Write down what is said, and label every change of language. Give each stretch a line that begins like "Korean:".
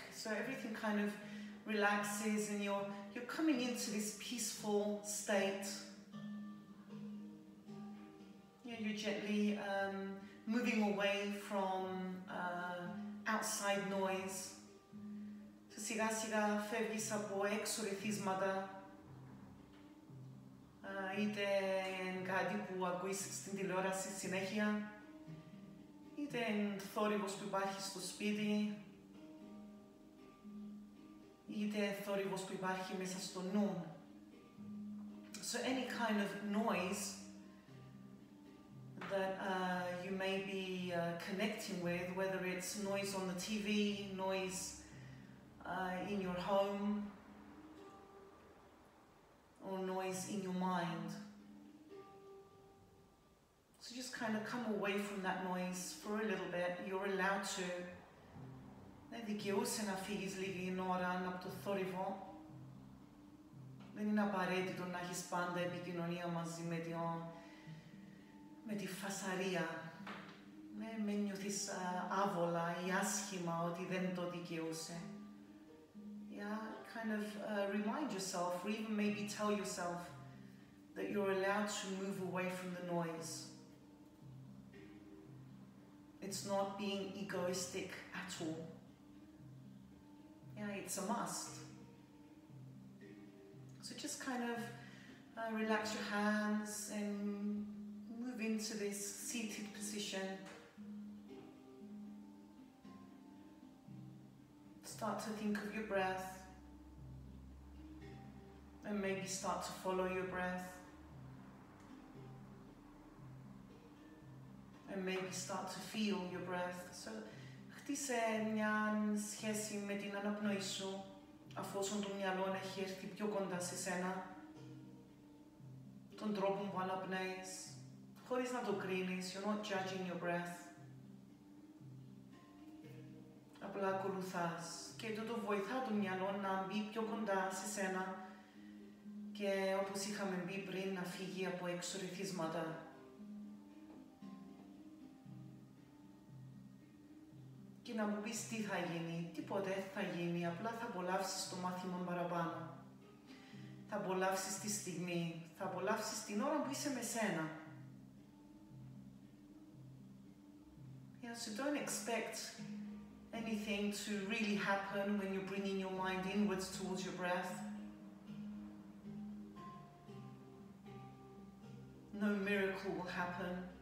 English: So everything kind of relaxes and you're coming into this peaceful state. Yeah, you're gently moving away from outside noise.
Greek: So σιγά σιγά φεύγεις από έξω ρυθίσματα, είτε είναι κάτι που ακούεις στην τηλεόραση συνέχεια, είτε είναι θόρυβος που υπάρχει στο σπίτι, είτε θόρυβος που υπάρχει μέσα στο νου.
English: So any kind of noise that you may be connecting with, whether it's noise on the TV, noise in your home, or noise in your mind. So just kind of come away from that noise for a little bit. You're allowed to.
Greek: Δεν δικαιούσε να φύγεις λίγη ώρα από το θόρυβο. Δεν είναι απαραίτητο να έχεις πάντα επικοινωνία μαζί με τη, με τη φασαρία. Με νιώθεις άβολα ή άσχημα ότι δεν το δικαιούσε.
English: Yeah, kind of remind yourself, or even maybe tell yourself that you're allowed to move away from the noise. It's not being egoistic at all. Yeah, it's a must. So just kind of relax your hands and move into this seated position. Start to think of your breath. And maybe start to follow your breath. And maybe start to feel your breath.
Greek: So, χτίσε μια σχέση με την αναπνοή σου, αφόσον το μυαλό έχει έρθει πιο κοντά σε σένα, τον τρόπο που αναπνέεις, χωρίς να το κρίνεις.
English: You're not judging your breath.
Greek: Απλά ακολουθάς. Και τούτο βοηθά το μυαλό να μπει πιο κοντά σε σένα και όπως είχαμε μπει πριν να φύγει από έξω ρυθίσματα. Και να μου πεις τι θα γίνει, τίποτε θα γίνει, απλά θα απολαύσεις το μάθημα παραπάνω. Θα απολαύσεις τη στιγμή, θα απολαύσεις την ώρα που είσαι με σένα.
English: Yeah, so don't expect anything to really happen when you're bringing your mind inwards towards your breath. No miracle will happen.